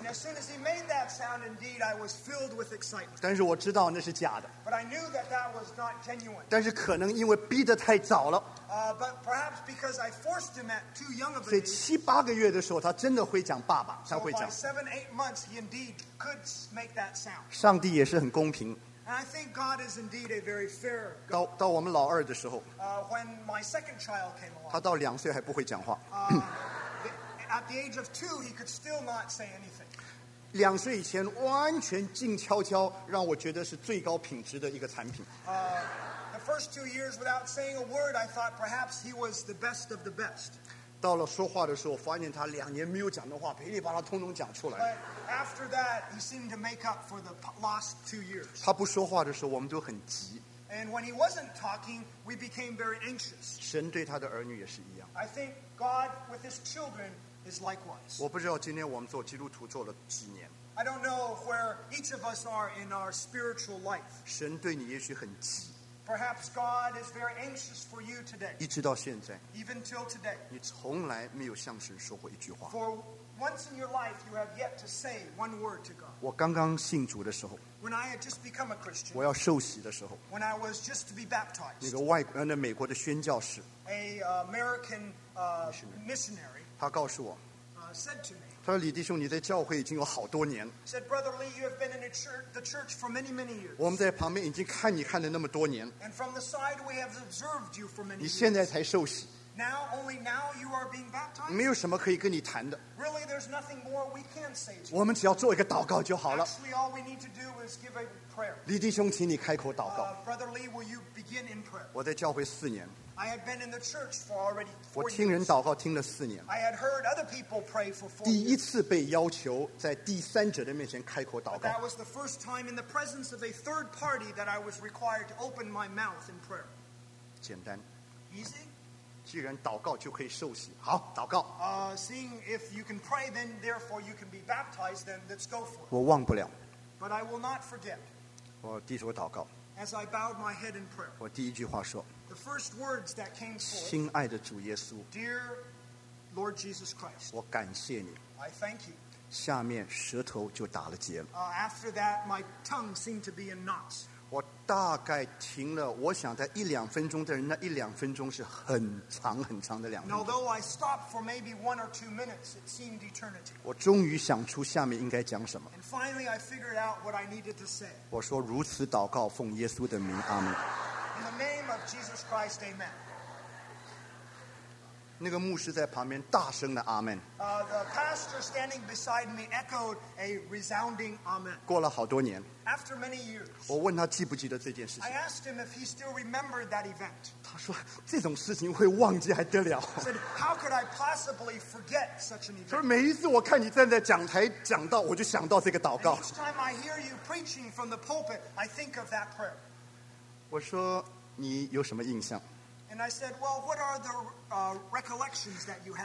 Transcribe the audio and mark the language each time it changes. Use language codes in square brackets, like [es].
[en] And as soon as he made that sound, indeed, I was filled with excitement. [zh] 但是我知道那是假的。 [en] But I knew that that was not genuine. [zh] 但是可能因为逼得太早了。 [en] But perhaps because I forced him at too young of a. [zh] 所以七八个月的时候，他真的会讲爸爸，他会讲。 [en] So by 7-8 months, he indeed could make that sound. [zh] 上帝也是很公平。 [en] And I think God is indeed a very fair God. [zh] 到我们老二的时候, [en] when my second child came along, [zh] 他到2岁还不会讲话。 [en] At the age of 2, he could still not say anything. [zh] 2岁以前完全静悄悄, 让我觉得是最高品质的一个产品。 [en] The first 2 years without saying a word, I thought perhaps he was the best of the best. [zh] 到了说话的时候, 发现他2年没有讲的话, 噼里啪啦通通讲出来。 [en] But after that, he seemed to make up for the lost 2 years. [zh] 他不说话的时候, 我们都很急。 [en] And when he wasn't talking, we became very anxious. [zh] 神对他的儿女也是一样。 [en] I think God with his children is likewise. [zh] 我不知道今天我们做基督徒做了几年。 [en] I don't know where each of us are in our spiritual life. [zh] 神对你也许很急。 [en] Perhaps God is very anxious for you today. [zh] 一直到现在, [en] even till today. [zh] 你从来没有向神说过一句话。 [en] For once in your life, you have yet to say one word to God. [zh] 我刚刚信主的时候, [en] when I had just become a Christian, [zh] 我要受洗的时候, [en] when I was just to be baptized, [zh] 那个美国的宣教士, [en] an American missionary, [zh] 他告诉我, [en] said to me, [zh] 他说李弟兄你在教会已经有好多年。 [en] Said, Brother Lee, you have been in the church for many, many years. [zh] 我们在旁边已经看你看了那么多年。 [en] And from the side, we have observed you for many years. [zh] 你现在才受洗。 [en] Now, only now you are being baptized? [zh] 没有什么可以跟你谈的。 [en] Really, there's nothing more we can say to you. [zh] 我们只要做一个祷告就好了。 [en] Actually, all we need to do is give a prayer. [zh] 李弟兄请你开口祷告。 [en] Brother Lee, will you begin in prayer? [zh] 我在教会4年。 [en] I had been in the church for already 4 years. [zh] 我听人祷告听了4年。 [en] I had heard other people pray for 4 years. [zh] 第一次被要求在第三者的面前开口祷告。 [en] But that was the first time in the presence of a third party that I was required to open my mouth in prayer. [zh] 简单。 [en] Easy? [zh] 既然祷告就可以受洗，好，祷告。 [en] Seeing if you can pray, then therefore you can be baptized. Then let's go for it. [zh] 我忘不了。 [en] But I will not forget. [zh] 我低头祷告。 [en] As I bowed my head in prayer. [zh] 我第一句话说。 [en] The first words that came forth. [zh] 亲爱的主耶稣。 [en] Dear Lord Jesus Christ. [zh] 我感谢你。 [en] I thank you. [zh] 下面舌头就打了结了。 [en] After that, my tongue seemed to be in knots. [zh] 我大概停了，我想在一两分钟的人，那一两分钟是很长很长的两分钟。 [en] Although I stopped for maybe one or two minutes, it seemed eternity. [zh] 我终于想出下面应该讲什么。 [en] And finally, I figured out what I needed to say. [zh] 我说如此祷告，奉耶稣的名，阿门。 [en] In the name of Jesus Christ, amen. [zh] 那个牧师在旁边大声的阿门。 [en] The pastor standing beside me echoed a resounding amen. [zh] 过了好多年。 [en] After many years, [zh] 我问他记不记得这件事情。 [en] I asked him if he still remembered that event. [zh] 他说这种事情会忘记还得了。 [en] He said, how could I possibly forget such an event? [zh] 他说每一次我看你站在讲台讲到，我就想到这个祷告。 [en] And each time I hear you preaching from the pulpit, I think of that prayer. [zh] 我说你有什么印象？ [en] And I said, well, what are the recollections that you have?